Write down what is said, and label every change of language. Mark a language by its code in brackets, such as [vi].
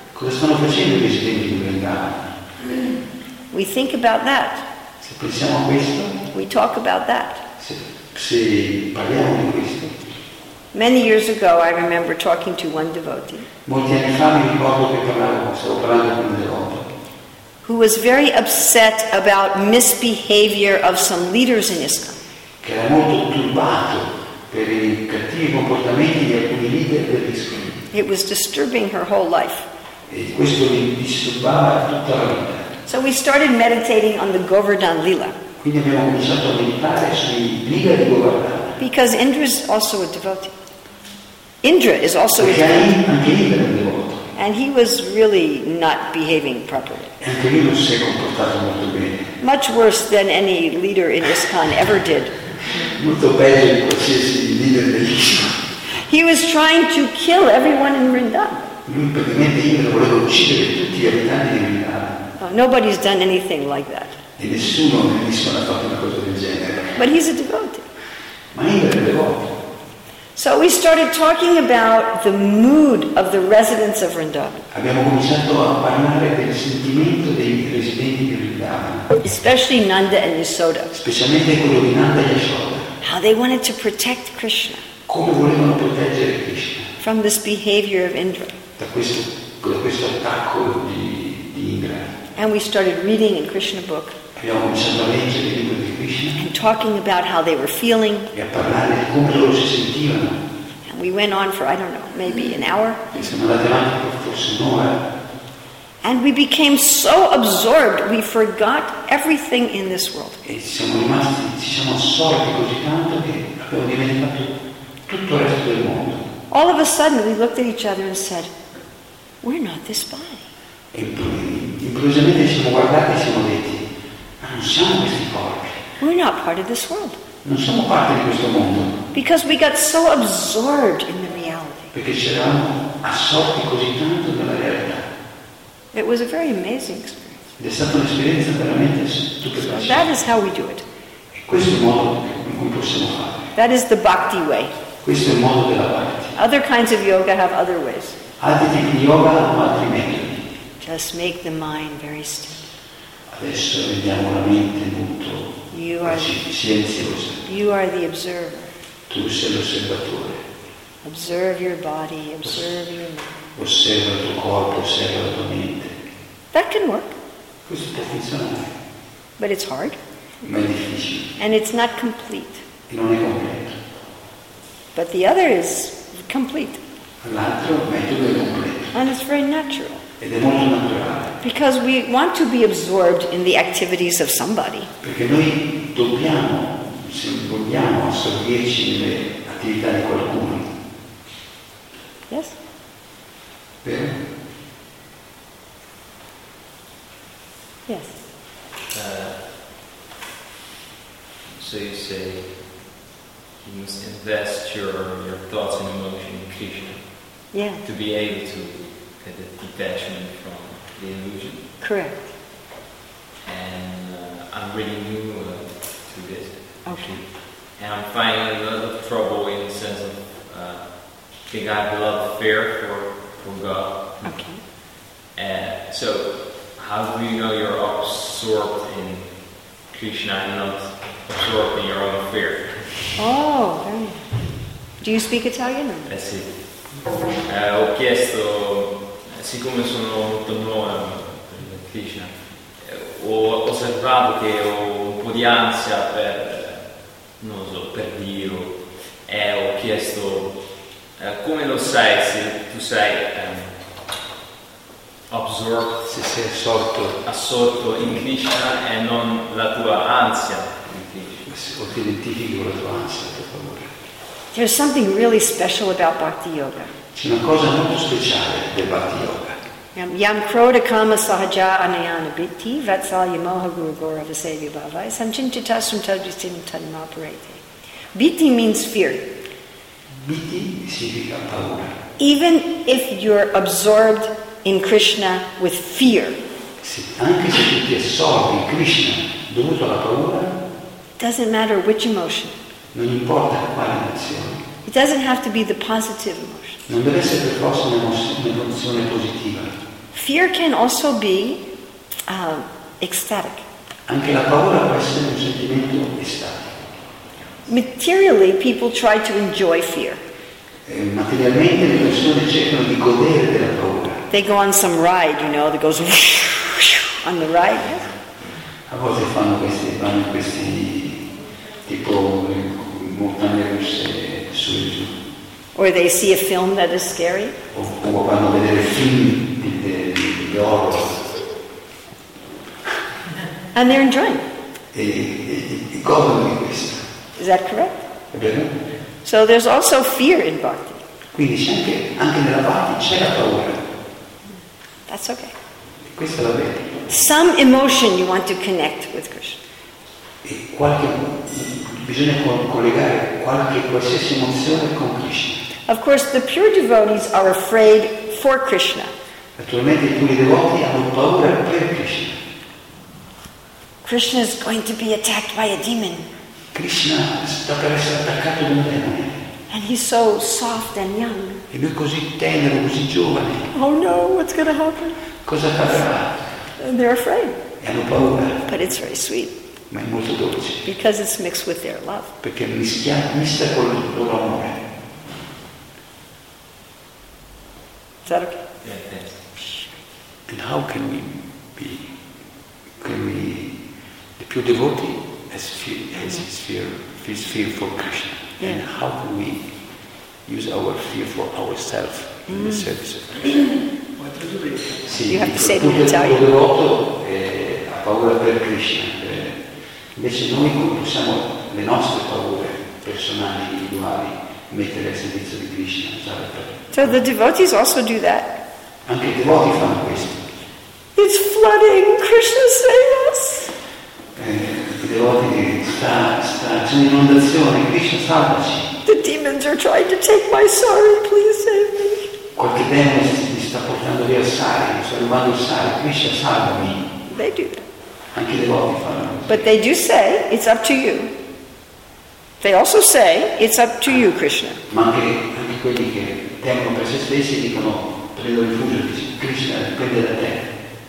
[it] Cosa stanno facendo i residenti di Vrindavan? [en] We think about that. [it] Se pensiamo a questo. [en] We talk about that. [it] Se parliamo di questo. [en] Many years ago, I remember talking to one devotee. [it] Molti anni fa mi ricordo che stavo parlando con un devoto. [en] Who was very upset about misbehavior of some leaders in ISKCON. [it] Che era molto turbato per i cattivi comportamenti di alcuni leader dell'ISKCON. [en] It was disturbing her whole life. [it] E questo mi disturbava tutta la vita. [en] So we started meditating on the Govardhan Lila. [it] Quindi abbiamo cominciato a meditare sui Lila di Govardhan. [en] Because Indra is also a devotee. Indra is also [it] perché [en] a devotee. [it] Anche Indra è un devoto. [en] And he was really not behaving properly. [it] E anche lui non si è comportato molto bene. [en] Much worse than any leader in ISKCON ever did. [it] Molto peggio di qualsiasi leader dell'ISKCON. [en] He was trying to kill everyone in Vrindavan. [it] Lui praticamente Indra voleva uccidere tutti gli abitanti di Vrindavan. [en] Nobody's done anything like that. [it] E nessuno in Iskon ha fatto una cosa del genere. [en] But he's a devotee. [it] Ma Indra è un devoto. [en] So we started talking about the mood of the residents of Vrindavan. [it] Abbiamo cominciato a parlare del sentimento dei residenti di Vrindavan. [en] Especially Nanda and Yashoda. [it] Specialmente quello di Nanda e Yashoda. [en] How they wanted to protect Krishna. [it] Come volevano proteggere Krishna. [en] From this behavior of Indra. [it] Da questo attacco di Indra. [en] And we started reading in Krishna book. [it] Abbiamo cominciato a leggere il libro di Krishna. [en] And talking about how they were feeling. [it] E a parlare di come loro si sentivano. [en] And we went on for, I don't know, maybe an hour. [it] E siamo andati avanti per forse un'ora. [en] And we became so absorbed, we forgot everything in this world. [it] E siamo rimasti, ci siamo assorti così tanto che abbiamo dimenticato tutto il resto del mondo. [en] All of a sudden, we looked at each other and said, "We're not this body." [it] Improvvisamente siamo guardati e siamo detti, "Ma non siamo questi corpi." [en] We're not part of this world. [it] Non siamo parte di questo mondo. [en] Because we got so absorbed in the reality. [it] Perché ci eravamo assorti così tanto nella realtà. [en] It was a very amazing experience. [it] Ed è stata un'esperienza veramente stupenda. [en] So that is how we do it. [it] Questo è il modo in cui possiamo fare. [en] That is the bhakti way. [it] Questo è il modo della bhakti. [en] Other kinds of yoga have other ways. [it] Altri tipi di yoga hanno altri metodi. [en] Just make the mind very still. [it] Adesso rendiamo la mente molto silenziosa. [en] You are the observer. [it] Tu sei l'osservatore. [en] Observe your body, observe your mind. [it] Osserva il tuo corpo, osserva la tua mente. [en] That can work. [it] Questo può funzionare. [en] But it's hard. [it] Ma è difficile. [en] And it's not complete. [it] E non è completo. [en] But the other is complete. [it] L'altro metodo è completo. [en] And it's very natural. [it] Ed è molto naturale. [en] Because we want to be absorbed in the activities of somebody. [it] Perché noi dobbiamo, se vogliamo, assorbirci nelle attività di qualcuno. [en] Yes? [it] Vero? [en] Yes. So you say you must invest your thoughts and emotions in Krishna. Yeah. To be able to get the detachment from the illusion. Correct. And I'm really new to this. Okay. And I'm finding a lot of trouble in the sense of think I have a lot of fear for God. Okay. And so how do you know you're absorbed in Krishna and not absorbed in your own fear? Oh, very. Do you speak Italian? [it] Eh sì. Ho chiesto, siccome sono molto nuovo per Krishna, ho osservato che ho un po' di ansia per, non so, per Dio, e ho chiesto, come lo sai se tu sei absorbed, se sei assorto, assorto in Krishna e non la tua ansia? O ti identifichi con la tua ansia, per favore. [en] There's something really special about bhakti yoga. [it] C'è una cosa molto speciale del bhakti yoga. [sa] Yam krodha kama sahaja anayana bitti vatsalya moha guru gaurav sevya bhavai samchintitasum tadjistin tadmaparete. [en] Bitti means fear. [it] Bitti significa paura. [en] Even if you're absorbed in Krishna with fear. [it] Se, anche se tu ti assorbi in Krishna dovuto alla paura. [en] Doesn't matter which emotion. [it] Non importa quale emozione. [en] It doesn't have to be the positive emotion. [it] Non deve essere per forza un'emozione positiva. [en] Fear can also be ecstatic. [it] Anche la paura può essere un sentimento estatico. [en] Materially, people try to enjoy fear. [it] Materialmente le persone cercano di godere della paura. [en] They go on some ride, you know, that goes whoosh, on the ride. Yes? [it] A volte fanno questi tipo montagne russe su e giù. [en] Or they see a film that is scary. [it] O vanno a vedere film di horror. [en] And they're enjoying. [it] E godono di questo. [en] Is that correct? [it] È vero. [en] So there's also fear in bhakti. [it] Quindi c'è anche nella bhakti c'è la paura. [en] That's okay. [it] Questo va bene. [en] Some emotion you want to connect with Krishna. [it] E qualche, bisogna collegare qualche qualsiasi emozione con Krishna. [en] Of course, the pure devotees are afraid for Krishna. [it] Naturalmente, i puri devoti hanno paura per Krishna. [en] Krishna is going to be attacked by a demon. [it] Krishna sta per essere attaccato da un demone. [en] And he's so soft and young. [it] E lui così tenero, così giovane. [en] Oh no, what's going to happen? [it] Cosa farà? [en] And they're afraid. [it] E hanno paura. [en] But it's very sweet. [it] Ma è molto dolce. [en] Because it's mixed with their love. [it] Perché mischia con il loro amore. [en] Is that okay? Yes. And how can we be? Can we? The pure devotee has fear. Has his fear. His fear for Krishna. Yeah. And how can we use our fear for ourselves in the service of Krishna? You have to say it in Italian. [it] Il pure devoto ha paura per Krishna. Invece noi possiamo le nostre paure personali, individuali, mettere al servizio di Krishna. [en] So the devotees also do that. [it] Anche i devoti fanno questo. [en] It's flooding, Krishna save us! [it] I devoti c'è un'inondazione, Krishna salvaci. [en] The demons are trying to take my sari, please save me. [it] Qualche demone mi sta portando via il sari, sto rubando il sari, Krishna salvami. [en] They do that. [it] Anche i devoti fanno. [en] But they do say, it's up to you. They also say, it's up to you, Krishna. [it] Ma anche quelli che tengono per se stessi dicono, prendo rifugio, Krishna dipende da te.